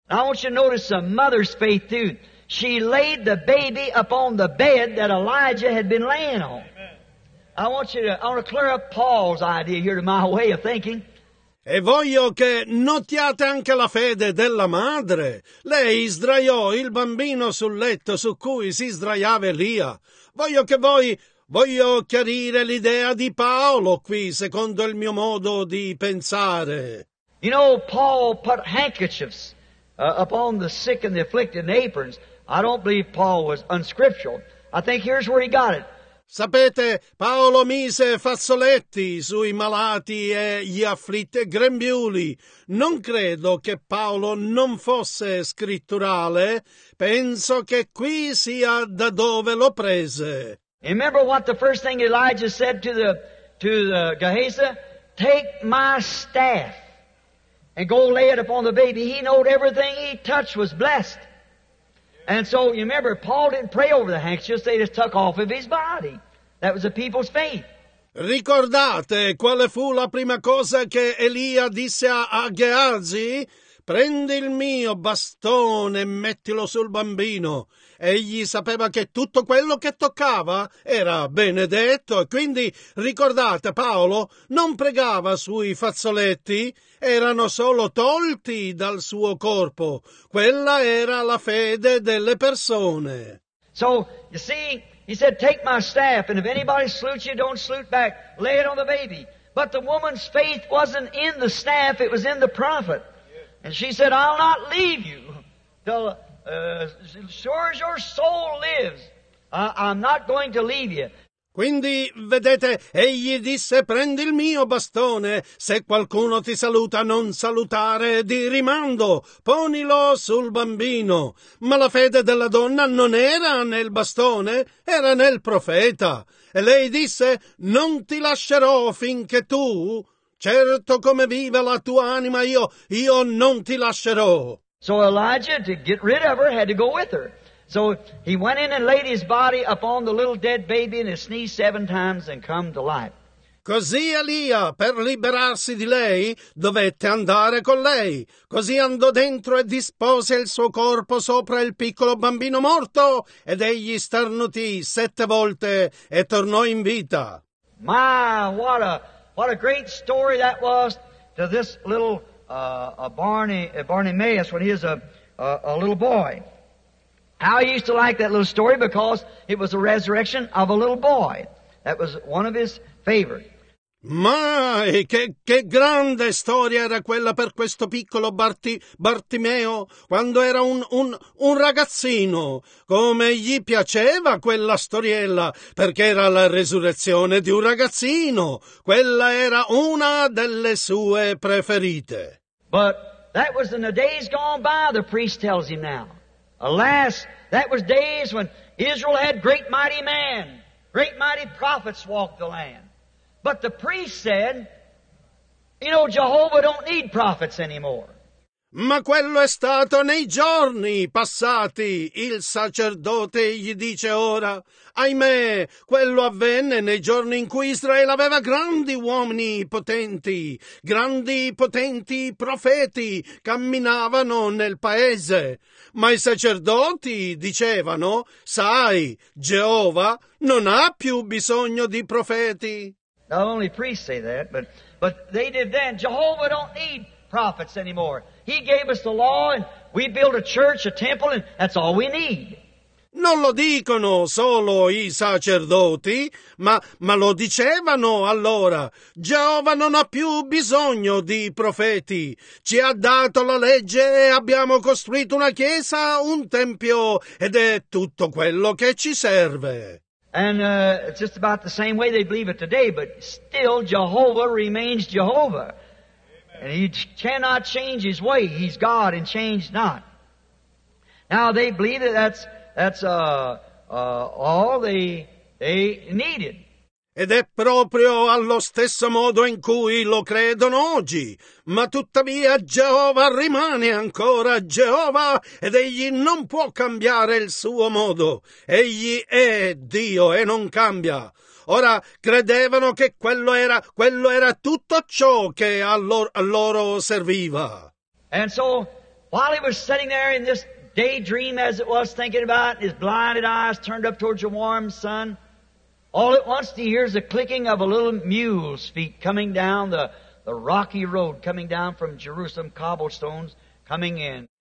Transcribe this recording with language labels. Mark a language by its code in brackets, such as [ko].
[en] I want you to notice a mother's faith too. She laid the baby upon the bed that Elijah had been laying on. I want to clear up Paul's idea here to my way of thinking. [it] E voglio che notiate anche la fede della madre. Lei sdraiò il bambino sul letto su cui si sdraiava Elia. Voglio chiarire l'idea di Paolo qui, secondo il mio modo di pensare. [en] You know, Paul put handkerchiefs upon the sick and the afflicted and aprons. I don't believe Paul was unscriptural. I think here's where he got it. [it] Sapete, Paolo mise fazzoletti sui malati e gli afflitti grembiuli. Non credo che Paolo non fosse scritturale. Penso che qui sia da dove lo prese. [en] Remember what the first thing Elijah said to the Gehazi? Take my staff and go lay it upon the baby. He knew everything he touched was blessed. And so, you remember, Paul didn't pray over the handkerchiefs, they just took off of his body. That was the people's faith. [it] Ricordate quale fu la prima cosa che Elia disse a Gheazi? Prendi il mio bastone e mettilo sul bambino. Egli sapeva che tutto quello che toccava era benedetto. E quindi, ricordate, Paolo non pregava sui fazzoletti, erano solo tolti dal suo corpo. Quella era la fede delle persone. [en] So, you see, he said, take my staff, and if anybody salutes you, don't salute back. Lay it on the baby. But the woman's faith wasn't in the staff, it was in the prophet. And she said, I'll not leave you till sure as your soul lives, I'm not going to leave you. [it] Quindi, vedete, egli disse, prendi il mio bastone, se qualcuno ti saluta, non salutare di rimando, ponilo sul bambino. Ma la fede della donna non era nel bastone, era nel profeta. E lei disse, non ti lascerò finché tu, certo come viva la tua anima, io non ti lascerò. [en] So Elijah, to get rid of her, had to go with her. So he went in and laid his body upon the little dead baby and he sneezed 7 times and come to life. [it] Così Elia, per liberarsi di lei, dovette andare con lei. Così andò dentro e dispose il suo corpo sopra il piccolo bambino morto ed egli starnutì 7 volte e tornò in vita. [en] My, what a great story that was to this little Barnabas when he was a little boy. How he used to like that little story because it was the resurrection of a little boy. That was one of his favorite. [it] Mai, che grande storia era quella per questo piccolo Bartimeo quando era un ragazzino. Come gli piaceva quella storiella, perché era la resurrezione di un ragazzino. Quella era una delle sue preferite. [en] But that was in the days gone by, the priest tells him now. Alas, that was days when Israel had great mighty men, great mighty prophets walked the land. But the priest said, you know, Jehovah don't need prophets anymore. [it] Ma quello è stato nei giorni passati, il sacerdote gli dice ora. Ahimè, quello avvenne nei giorni in cui Israele aveva grandi uomini potenti, grandi potenti profeti camminavano nel paese. Ma i sacerdoti dicevano, sai, Geova non ha più bisogno di profeti. [en] Not only priests say that, but they did then. Jehovah don't need prophets anymore. He gave us the law and we build a church, a temple, and that's all we need. [it] Non lo dicono solo i sacerdoti, ma lo dicevano allora. Geova non ha più bisogno di profeti. Ci ha dato la legge e abbiamo costruito una chiesa, un tempio, ed è tutto quello che ci serve. [en] And it's just about the same way they believe it today, but still Jehovah remains Jehovah. And he cannot change his way. He's God and changed not. Now they believe that that's all they needed. [it] Ed è proprio allo stesso modo in cui lo credono oggi. Ma tuttavia Geova rimane ancora Geova ed egli non può cambiare il suo modo. Egli è Dio e non cambia. Ora credevano che quello era tutto ciò che a loro serviva. [en] And so while he was sitting there in this daydream as it was thinking about, his blinded eyes turned up towards the warm sun, all at once he hears the clicking of a little mule's feet coming down the rocky road, coming down from Jerusalem, cobblestones coming in.